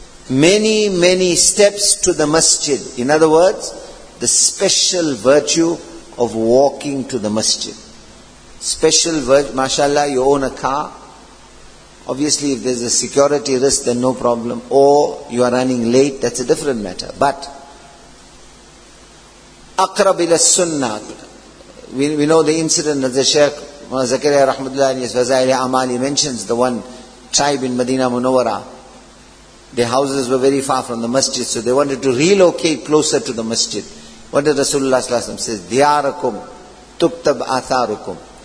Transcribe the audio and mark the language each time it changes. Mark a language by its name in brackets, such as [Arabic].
[English] Many, many steps to the masjid. In other words, the special virtue of walking to the masjid. Special virtue, mashallah, you own a car. Obviously, if there's a security risk, then no problem. Or you are running late, that's a different matter. But [Arabic] أقرب إلى السنة. [English] We know the incident that the Shaykh Zakaria Rahmatullah in his Fazaili Amali mentions, the one tribe in Medina Munawara. Their houses were very far from the masjid, so they wanted to relocate closer to the masjid. What did Rasulullah sallallahu alaihi wasallam say? [Arabic] Diyarakum tuktab atharukum.